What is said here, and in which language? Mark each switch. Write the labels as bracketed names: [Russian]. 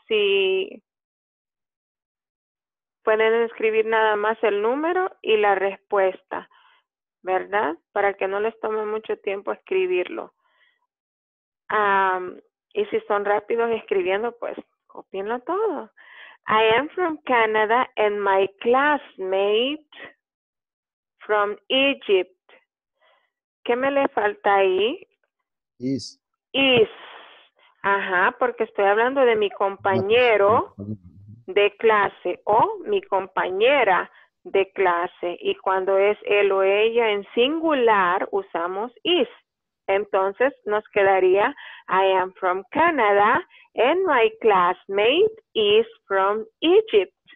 [Spanish] Si pueden escribir nada más el número y la respuesta, ¿verdad? Para que no les tome mucho tiempo escribirlo. Y si son rápidos escribiendo, pues copienlo todo. [English] I am from Canada and my classmate from Egypt. [Spanish] ¿Qué me le falta ahí? [English] Is. Is. [Spanish] Ajá, porque estoy hablando de mi compañero de clase o mi compañera de clase. Y cuando es él o ella en singular, usamos is. Entonces nos quedaría, [English] I am from Canada and my classmate is from Egypt.